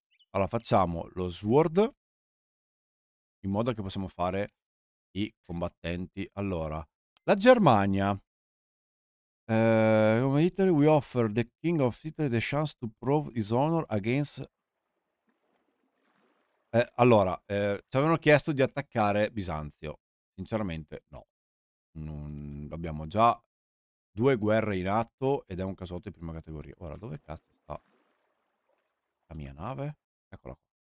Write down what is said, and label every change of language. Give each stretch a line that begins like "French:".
Italian: Allora facciamo lo Sword in modo che possiamo fare i combattenti. Allora, la Germania.
English: Come Italy, we offer the King of Italy the chance to prove his honor against.
Italian: Allora, ci avevano chiesto di attaccare Bisanzio. Sinceramente, no. Non abbiamo già. 2 guerre in atto ed è un casotto di prima categoria. Ora, dove cazzo sta la mia nave? Eccola qua.